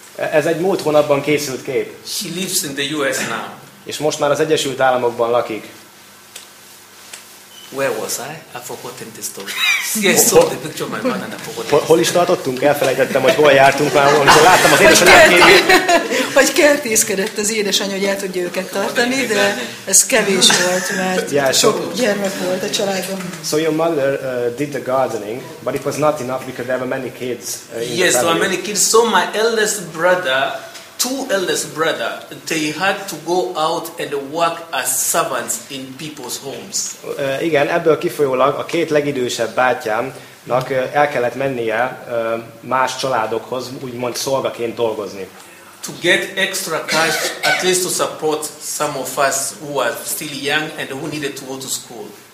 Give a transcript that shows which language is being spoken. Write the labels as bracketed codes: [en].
[hu] Ez egy múlt hónapban készült kép. [en] She lives in the US now. [hu] És most már az Egyesült Államokban lakik. [en] Where was I? I forgot in this story. Yes, so the picture of my mother and I forgot. [hu] Hol is tartottunk? Elfelejtettem, hogy hol jártunk már, amikor láttam az édesanyját. Hogy kertészkedett az édesanyja, hogy el tudja őket tartani, de ez kevés volt, mert sok gyermek volt a családban. [en] So your mother did the gardening, but it was not enough because there were many kids in yes, the there were many kids. So my eldest brother, two eldest brother, they had to go out and work as servants in people's homes. [hu] Igen, ebből kifolyólag a két legidősebb bátyámnak el kellett mennie más családokhoz, úgymond szolgaként dolgozni. [en] To get extra cash, at least to support some of us who are still young and who needed to go to school.